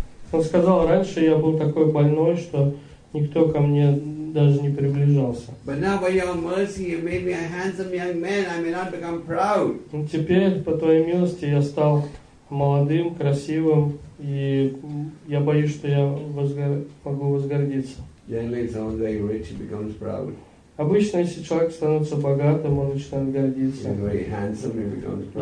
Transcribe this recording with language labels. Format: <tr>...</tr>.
<ru>Он сказал, раньше я был такой больной, что никто ко мне даже не приближался.</ru> <en>But now by your mercy you made me a handsome young man, I may not become proud.</en> <ru>Теперь, по твоей милости, я стал молодым, красивым, и я боюсь, что я могу возгордиться.</ru> <en>Generally someone very rich becomes proud.</en> <ru>Обычно, если человек становится богатым, он начинает гордиться.</ru> <en>He's very handsome, he becomes proud.</en>